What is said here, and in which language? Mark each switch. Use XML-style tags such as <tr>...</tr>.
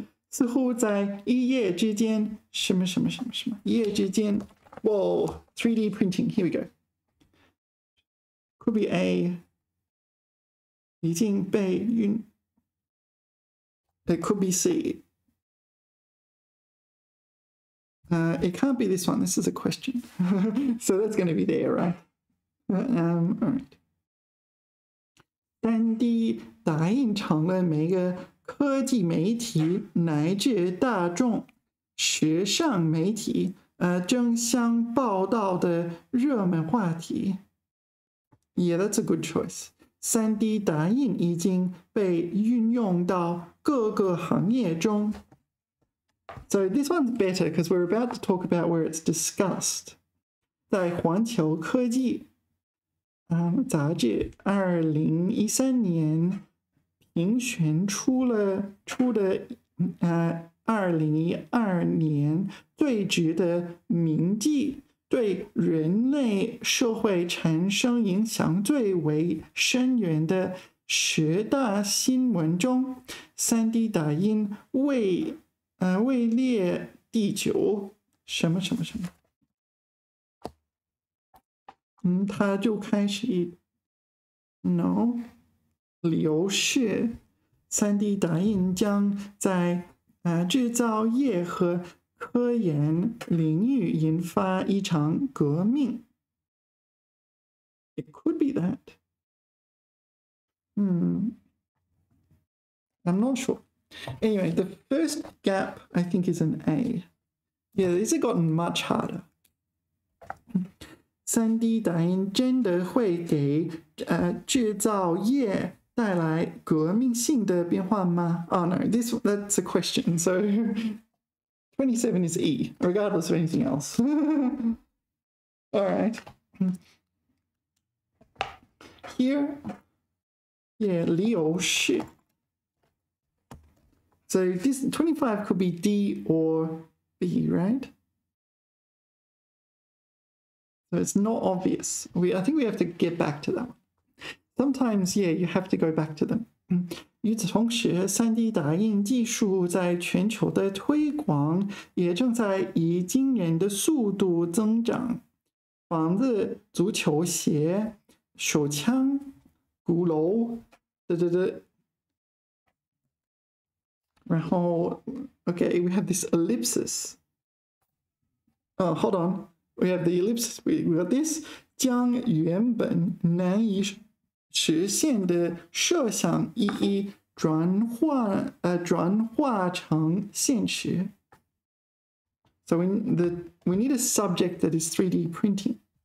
<zh>似乎在一夜之间，什么什么什么什么，一夜之间。</zh> <en>Whoa, 3D printing, here we go. Could be A,</en> <zh>已经被运</zh> <en>It could be C. It can't be this one. This is a question. So that's going to be there, right? All right.</en> <zh>3D 打印成了每个科技媒体乃至大众时尚媒体争相报道的热门话题。</zh> <en>Yeah, that's a good choice.</en> <zh>3D 打印已经被运用到各个行业中。</zh> <en>So this one's better because we're about to talk about where it's discussed.</en> <zh>在环球科技杂志2013年评选出的2012年最值得铭记对人类社会产生影响最为深远的十大新闻中 3D 打印位列第九什么什么什么他就开始</zh> <en>No</en> <zh>理由是 3D 打印将在制造业和科研领域引发一场革命。</zh> <en>It could be that. I'm not sure. Anyway, the first gap, I think, is an A. Yeah, these have gotten much harder.</en> <zh>3D 打印真的会给制造业带来革命性的变化吗?</zh> <en>Oh no, that's a question. So 27 is E, regardless of anything else. All right. Here, yeah,</en> <zh>理由是.</zh> <en>So this 25 could be D or B, right? So it's not obvious. I think we have to get back to that one. Sometimes, yeah, you have to go back to them.</en> <zh>与此同时 ,3D 打印技术在全球的推广也正在以惊人的速度增长。房子、足球鞋、手枪、鼓楼，对对对。然后</zh> <en>,okay, we have this ellipsis. Oh, hold on. We have the ellipsis. We got this.</en> <zh>将原本难以实现的设想一一转化成现实。</zh> <en>So we need a subject that is 3D printing.</en>